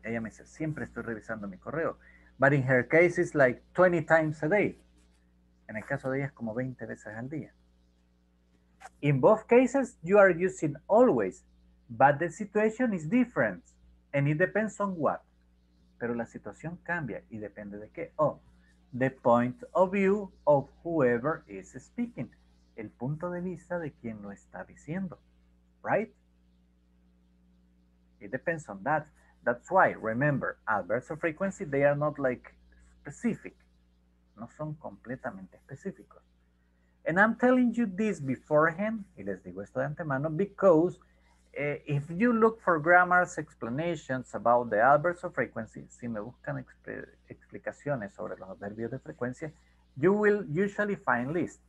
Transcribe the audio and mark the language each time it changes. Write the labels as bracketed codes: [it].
[es] Ella me dice, siempre estoy revisando mi correo. [en] But in her case, it's like 20 times a day. [es] En el caso de ella, es como 20 veces al día. [en] In both cases, you are using always, but the situation is different, and it depends on what. [es] Pero la situación cambia, y depende de qué. [en] Oh, the point of view of whoever is speaking. [es] El punto de vista de quien lo está diciendo. [en] Right? It depends on that. That's why, remember, adverbs of frequency, they are not like specific. [es] No son completamente específicos. [en] And I'm telling you this beforehand, [es] y les digo esto de antemano, [en] because if you look for grammar's explanations about the adverbs of frequency, [es] si me buscan explicaciones sobre los adverbios de frecuencia, [en] you will usually find lists.